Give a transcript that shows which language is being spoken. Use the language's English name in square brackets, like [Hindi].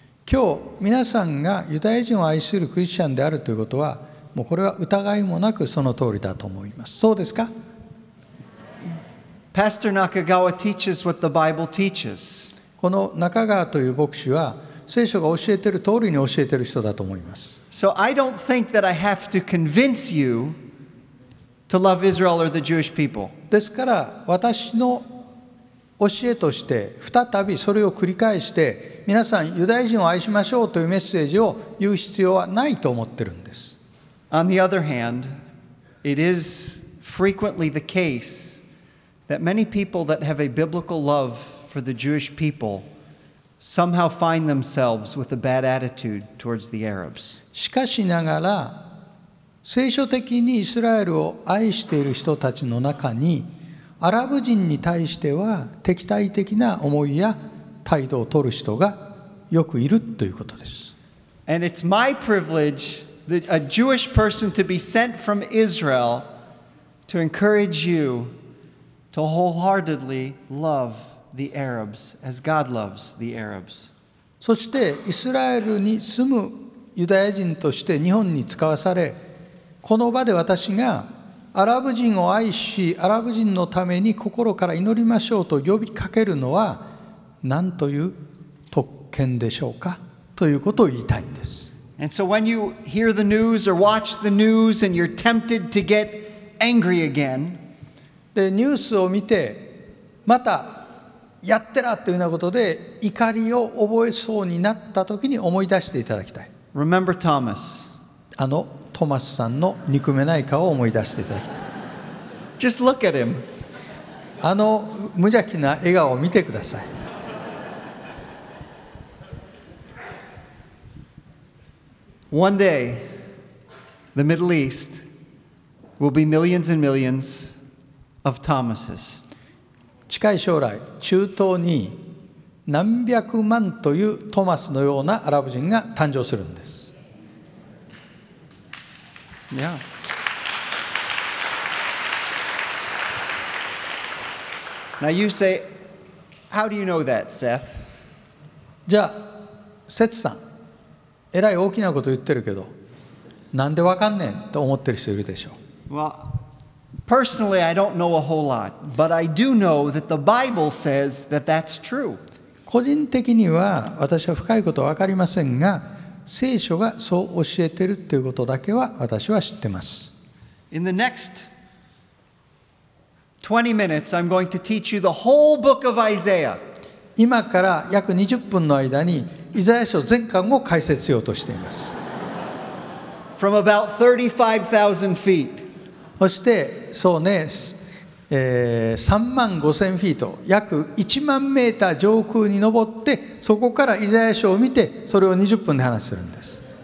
[Japanese] 今日皆さんがユダヤ人を愛するクリスチャンであるということは、もうこれは疑いもなくその通りだと思います。そうですか？ [English] Pastor Nakagawa teaches what the Bible teaches. [Japanese] この中川という牧師は聖書が教えている通りに教えている人だと思います。 [English] So I don't think that I have to convince you to love Israel or the Jewish people. [Japanese] ですから私の教えとして再びそれを繰り返して皆さんユダヤ人を愛しましょうというメッセージを言う必要はないと思ってるんです。 [English] On the other hand, it is frequently the case. That many people that have a biblical love for the Jewish people somehow find themselves with a bad attitude towards the Arabs. [Japanese] しかしながら、聖書的にイスラエルを愛している人たちの中に、アラブ人に対しては敵対的な思いや態度を取る人がよくいるということです。 [English] And it's my privilege that a Jewish person to be sent from Israel to encourage youTo wholeheartedly love the Arabs as God loves the Arabs. [Japanese] そしてイスラエルに住むユダヤ人として日本に使わされ、この場で私がアラブ人を愛し、アラブ人のために心から祈りましょうと呼びかけるのは何という特権でしょうかということを言いたいんです。 [English] And so when you hear the news or watch the news and you're tempted to get angry again. [Japanese] でニュースを見てまたやってらというようなことで怒りを覚えそうになった時に思い出していただきたい。 [English] Remember Thomas. [Japanese] あのトマスさんの憎めない顔を思い出していただきたい。 [English] Just look at him. [Japanese] あの無邪気な笑顔を見てください。 [English] One day, the Middle East will be millions and millions. Of Thomas's. [Japanese] 近い将来中東に何百万というトマスのようなアラブ人が誕生するんです、 [English] yeah. Now you say, how do you know that, Seth? [Japanese] じゃあセツさん、えらい大きなこと言ってるけどなんでわかんねんと思ってる人いるでしょう。 [English] WellPersonally, I don't know a whole lot, but I do know that the Bible says that that's true. [Japanese] 個人的には私は深いことは分かりませんが、聖書がそう教えているということだけは私は知ってます。 [English] In the next 20 minutes, I'm going to teach you the whole book of Isaiah. [Japanese] 今から約20分の間にイザヤ書全巻を解説しようとしています。 [English] From about 35,000 feet. [Japanese] そしてそうね、3万5千フィート約1万メーター上空に登ってそこからイザヤ書を見てそれを20分で話するんです。